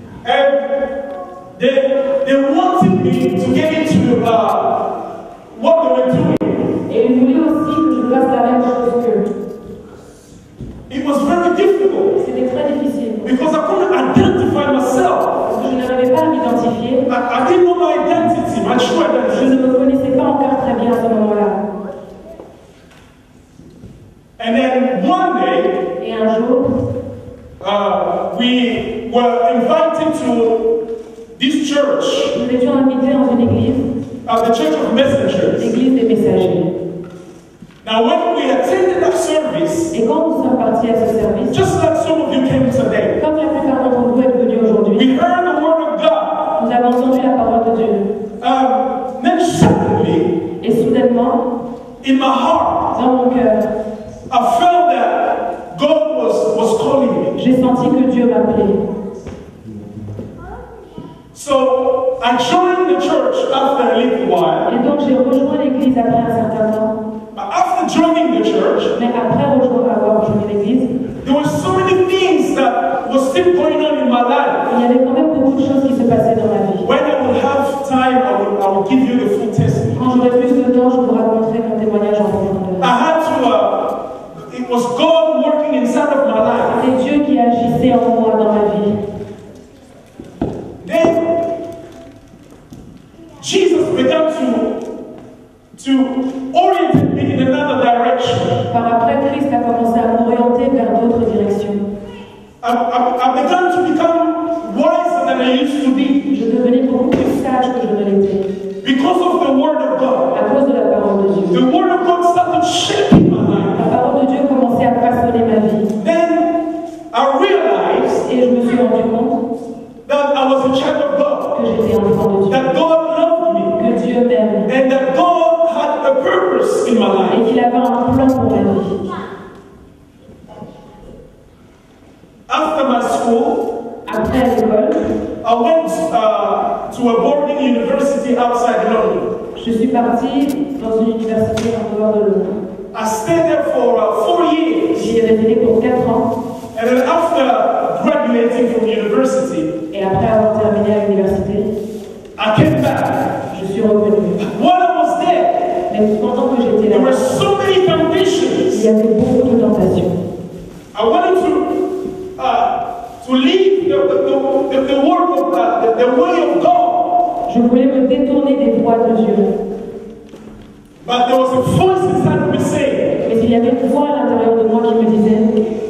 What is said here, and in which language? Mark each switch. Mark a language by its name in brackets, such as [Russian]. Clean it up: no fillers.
[English] And they wanted me to get into the what they were doing. [French] Et ils voulaient aussi que je fasse la même chose qu'eux. [English] It was very difficult. [French] C'était très difficile. [English] Because I couldn't identify myself. [French] Parce que je n'avais pas à m'identifier. [English] I didn't know my identity, my true identity. [French] Je ne me connaissais pas encore très bien à ce moment-là. [English] And then one day, [French] et un jour, [English] we were invited to this church. [French] Nous étions invités dans une église. [English] The church of messengers. [French] L'église des messagers. [English] Now when we attended that service, [French] et quand nous sommes partis à ce service, [English] just like some of you came today, [French] comme la plupart d'entre vous êtes venus aujourd'hui, [English] we heard the word of God. [French] Nous avons entendu la parole de Dieu. [English] Then suddenly, [French] et soudainement, [English] in my heart, [French] dans mon cœur, [English] I felt that God was calling me. [French] J'ai senti que Dieu m'appelait. [English] So I joined the church after a little while. [French] Et donc j'ai rejoint l'église après un certain temps. [English] But after joining the church, [French] mais après avoir rejoint l'église, [English] there were so many things that were still going on in my life. [French] Il y avait quand même beaucoup de choses qui se passaient dans ma vie. [English] When I will have time, I will give you the full testimony. [French] Quand j'aurai plus de temps, je vous raconterai mon témoignage en profondeur. [English] I had to. It was God working inside of my life. [French] C'est Dieu qui agissait en moi dans ma vie. [English] Then Jesus began to orient me in another direction. [French] Par après, Christ a commencé à m'orienter vers d'autres directions. [English] I began to become wiser than I used to be. [French] Je devenais beaucoup plus sage que je ne l'étais. [English] Because of the word of God. [French] À cause de la parole de Dieu. [English] The word of God started shaping my life. [French] La parole de Dieu commençait à façonner ma vie. [English] Then I realized, [French] et je me suis rendu compte, [English] that I was a child of God. [French] Que j'étais un enfant de Dieu. [English] That God loved me. [French] Que Dieu m'aime. [English] And that God had a purpose in my life. [French] Et qu'il avait un plan pour ma vie. [English] After my school, [French] après l'école, [English] I went to a boarding university outside London. [French] Je suis parti dans une université en dehors de Londres. [English] I stayed there for 4 years. [French] J'y ai resté pour 4 ans. [English] And then after graduating from university, [French] et après avoir terminé à l'université, [English] I came back. [French] Je suis revenu. [English] While I was there, [French] mais pendant que j'étais là, [English] there were so many temptations. [French] Il y avait beaucoup de tentations. [English] I wanted to leave the work of God, the way of God. [French] Je voulais me détourner des voies de Dieu. [English] But there was a voice inside me saying, [French] mais il y avait une voix à l'intérieur de moi qui me disait,